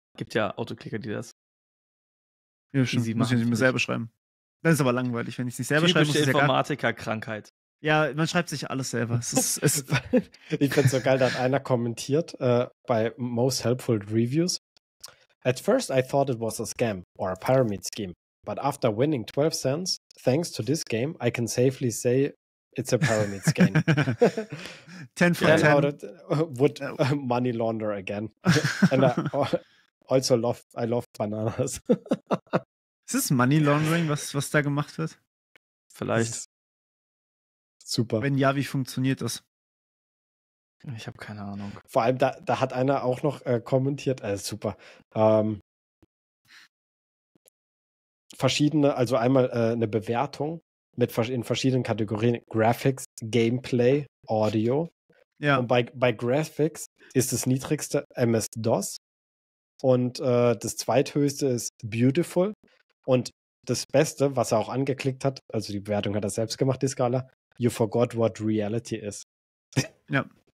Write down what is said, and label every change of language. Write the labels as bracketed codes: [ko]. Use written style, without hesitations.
[de] Gibt ja Autoklicker, die das. Ja, schon. Easy muss ich nicht mehr selber schreiben. Das ist aber langweilig, wenn ich es nicht selber schreibe. Typische Informatiker-Krankheit. Ja, man schreibt sich alles selber. Ich finde es so geil, da hat einer kommentiert bei Most Helpful Reviews. [en] At first I thought it was a scam or a pyramid scheme, but after winning 12 cents, thanks to this game, I can safely say it's a pyramid scheme. 10 for 10. Would money launder again. And I also love bananas. [de] Ist es Money Laundering, was da gemacht wird? Vielleicht. Super. Wenn ja, wie funktioniert das? Ich habe keine Ahnung. Vor allem, da hat einer auch noch kommentiert. Super. Verschiedene, also einmal eine Bewertung in verschiedenen Kategorien. [en] Graphics, Gameplay, Audio. [de] Ja. Und bei Graphics ist das niedrigste MS-DOS. Und das zweithöchste ist Beautiful. Und das Beste, was er auch angeklickt hat, also die Bewertung hat er selbst gemacht, die Skala, [en] you forgot what reality is. [de] Ja.